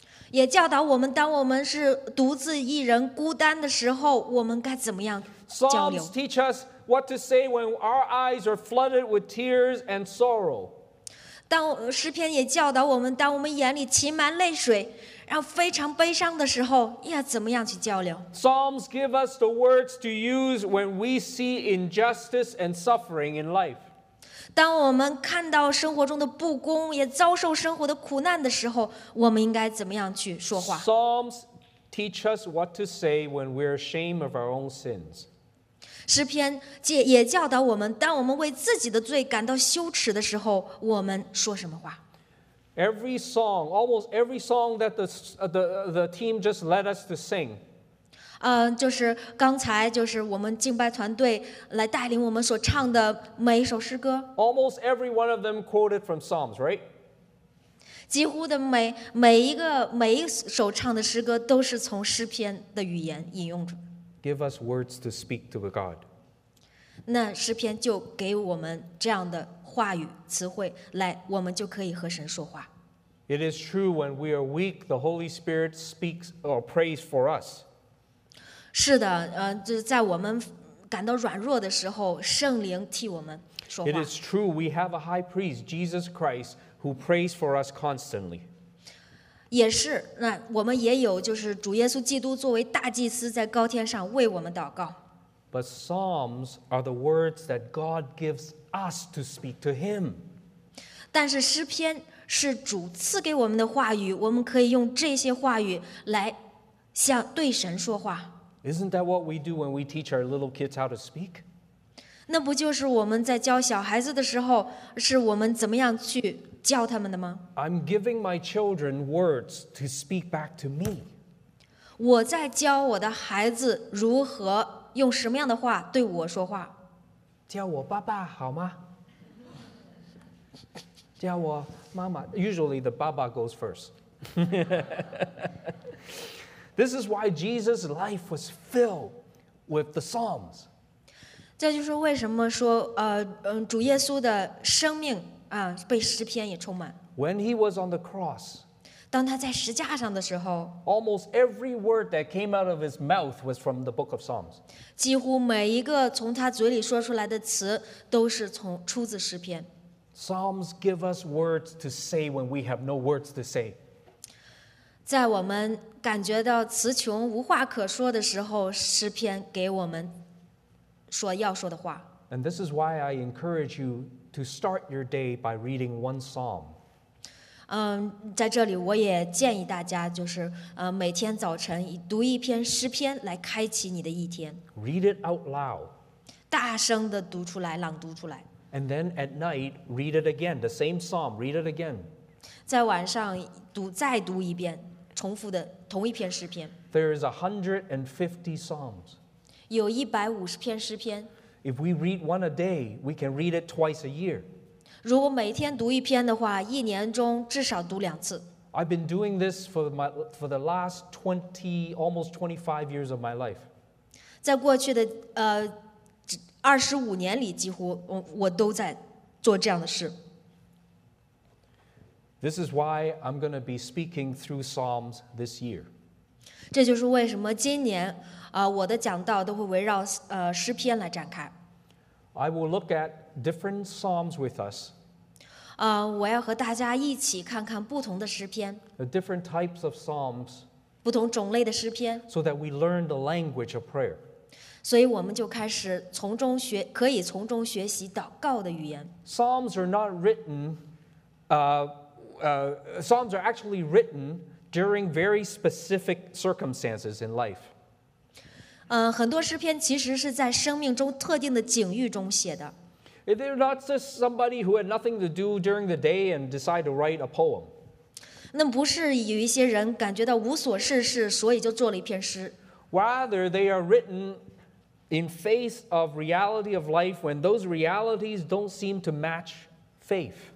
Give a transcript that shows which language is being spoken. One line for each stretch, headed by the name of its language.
Chinese: 也教导我们，当我们是独自一人、孤单的时候，我们该怎么样交流。
English: Psalms teach us what to say when our eyes are flooded with tears and sorrow.
Chinese: 诗篇也教导我们，当我们眼里噙满泪水。然后非常悲伤的时候，要怎么样去交流？
English: Psalms give us the words to use when we see injustice and suffering in life.
Chinese: 当我们看到生活中的不公，也遭受生活的苦难的时候，我们应该怎么样去说话？
English: Psalms teach us what to say when we're ashamed of our own sins.
Chinese: 诗篇也教导我们，当我们为自己的罪感到羞耻的时候，我们说什么话？
English: Every song, almost every song that the team just led us to sing.
Chinese: 就是刚才就是我们敬拜团队来带领我们所唱的每一首诗歌。
English: Almost every one of them quoted from Psalms, right?
Chinese: 几乎的每一首唱的诗歌都是从诗篇的语言引用着。
English: Give us words to speak to God.
Chinese: 那诗篇就给我们这样的。话语词汇来，我们就可以和神说话。
English: It is true when we are weak, the Holy Spirit speaks or prays for us.
Chinese: 是的，就是在我们感到软弱的时候，圣灵替我们说话。
English: It is true we have a high priest, Jesus Christ, who prays for us constantly.
Chinese: 也是，那我们也有就是主耶稣基督作为大祭司在高天上为我们祷告。
English: But Psalms are the words that God gives us to speak to Him.
Chinese: 但是诗篇是主赐给我们的话语，我们可以用这些话语来向对神说话。
English: Isn't that what we do when we teach our little kids how to speak?
Chinese: 那不就是我们在教小孩子的时候，是我们怎么样去教他们的吗？
English: I'm giving my children words to speak back to me.
Chinese: 我在教我的孩子如何用什么样的话对我说话？叫我爸爸好吗？叫我妈妈。
English: Usually the 爸爸 goes first. This is why Jesus' life was filled with the Psalms.
Chinese: 这就是为什么说主耶稣的生命被诗篇也充满。
English: When he was on the cross,
Chinese: 当他在十字架上的时候，
English: almost every word that came out of his mouth was from the book of Psalms.
Chinese: 几乎每一个从他嘴里说出来的词都是从出自诗篇。
English: Psalms give us words to say when we have no words to say.
Chinese: 在我们感觉到词穷无话可说的时候，诗篇给我们说要说的话。
English: And this is why I encourage you to start your day by reading one psalm.
Chinese: 在这里我也建议大家，就是每天早晨读一篇诗篇来开启你的一天。
English: Read it out loud.
Chinese: 大声的读出来，朗读出来。
English: And then at night, read it again, the same psalm, read it again.
Chinese: 在晚上读再读一遍，重复的同一篇诗篇。
English: There is 150 psalms.
Chinese: 有150篇诗篇。
English: If we read one a day, we can read it twice a year.
Chinese: 如果每天读一篇的话，一年中至少读两次。
English: I've been doing this for the last 20, almost 25 years of my life.
Chinese: 在过去的25年里，几乎我都在做这样的事。
English: This is why I'm going to be speaking through Psalms this year.
Chinese: 这就是为什么今年我的讲道都会围绕诗篇来展开。
English: I will look at different Psalms with us.
Chinese: 我要和大家一起看看不同的诗篇。
English: The different types of Psalms.
Chinese: 不同种类的诗篇。
English: So that we learn the language of prayer.
Chinese: 所以我们就开始从中学，可以从中学习祷告的语言。
English: Psalms are not written, Psalms are actually written during very specific circumstances in life.
Chinese: 很多诗篇其实是在生命中特定的境遇中写的。
English: They're not just somebody who had nothing to do during the day and decide to write a poem.
Chinese: 那不是有一些人感觉到无所事事，所以就做了一篇诗。
English: Rather, they are written in face of reality of life when those realities don't seem to match faith.